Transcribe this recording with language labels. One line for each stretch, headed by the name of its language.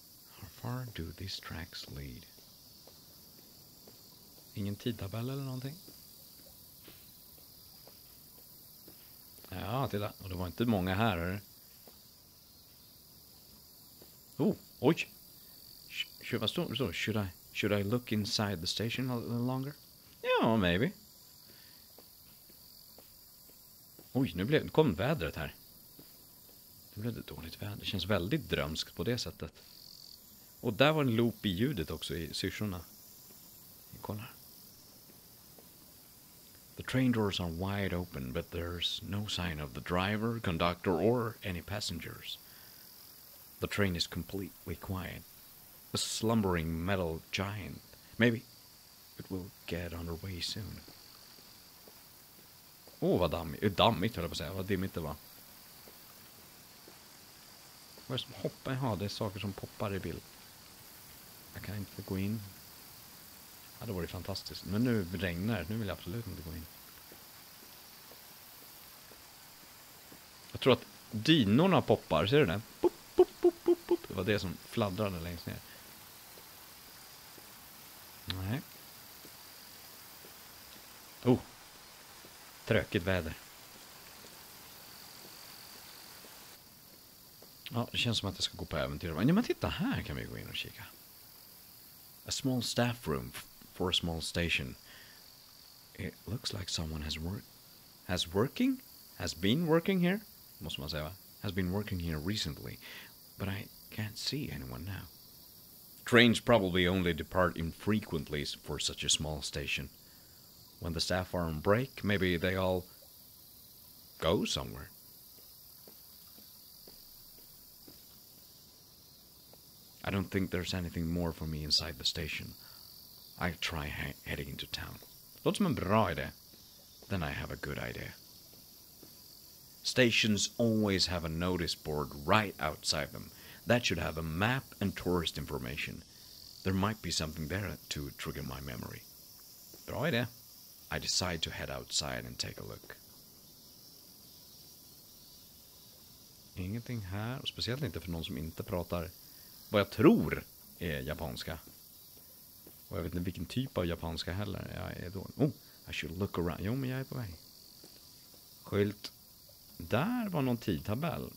English: How far do these tracks lead?
Swedish: Ingen tidtabell eller någonting? Ja, titta. Och det var inte många här. Oh, oj.
English: Should I look inside the station a little longer? Yeah, maybe.
Swedish: Oj, nu kom vädret här. Det blev det dåligt väder. Det känns väldigt drömskt på det sättet. Och där var en loop i ljudet också i syrsorna. Vi kollar.
English: The train doors are wide open, but there's no sign of the driver, conductor, or any passengers. The train is completely quiet. A slumbering metal giant. Maybe it will get underway soon.
Swedish: Oh, vad dammigt. Dammigt, höll jag på att säga. Vad dimmigt det var. Vad är det som hoppar? Ja, det är saker som poppar i bild. Jag kan inte gå in. Ja, det var ju fantastiskt. Men nu regnar det. Nu vill jag absolut inte gå in. Jag tror att dynorna poppar. Ser du det? Boop, boop, boop, boop, boop. Det var det som fladdrade längst ner. Nej. Oh. Tråkigt väder. Ja, det känns som att jag ska gå på äventyr. Ja, men titta, här kan vi gå in och kika.
English: A small staff room for a small station. It looks like someone has been working here.
Swedish: Måste man säga, va?
English: Has been working here recently. But I can't see anyone now. Trains probably only depart infrequently for such a small station. When the staff are on break, maybe they all go somewhere. I don't think there's anything more for me inside the station. I'll try heading into town.
Swedish: Låter som en bra idé.
English: Then I have a good idea. Stations always have a notice board right outside them. That should have a map and tourist information. There might be something there to trigger my memory.
Swedish: Bra idé.
English: I decide to head outside and take a look.
Swedish: Ingenting här, speciellt inte för någon som inte pratar vad jag tror är japanska. Och jag vet inte vilken typ av japanska heller jag är då.
English: Oh, I should look around.
Swedish: Jo, men jag är på väg. Skylt. Där var någon tidtabell.